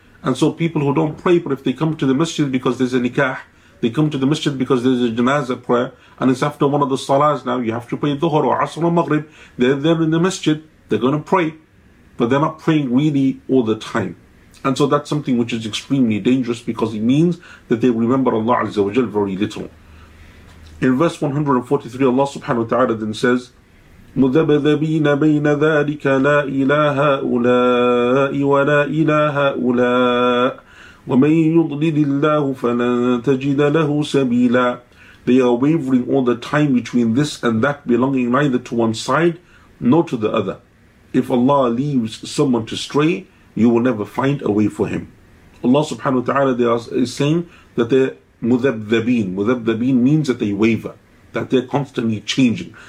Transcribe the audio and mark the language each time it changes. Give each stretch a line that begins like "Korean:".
English: And so people who don't pray, but if they come to the masjid because there's a nikah, they come to the masjid because there's a janazah prayer, and it's after one of the salahs now, you have to pray dhuhr or asr or maghrib, they're there in the masjid, they're going to pray, but they're not praying really all the time. And so that's something which is extremely dangerous, because it means that they remember Allah Azza wa Jal very little. In verse 143, Allah subhanahu wa ta'ala then says,
Arabic: مُذَبَذَبِينَ بَيْنَ ذَٰلِكَ لَا إِلَٰهَ أُولَاءِ وَلَا إِلَٰهَ أُولَاءِ وَمَنْ يُضْلِلِ اللَّهُ فَلَنْ تَجِدَ لَهُ سَبِيلًا.
English: They are wavering all the time between this and that, belonging neither to one side nor to the other. If Allah leaves someone to stray, you will never find a way for him. Allah subhanahu wa ta'ala is saying that they're مُذَبْذَبِينَ. مُذَبْذَبِينَ means that they waver, that they're constantly changing.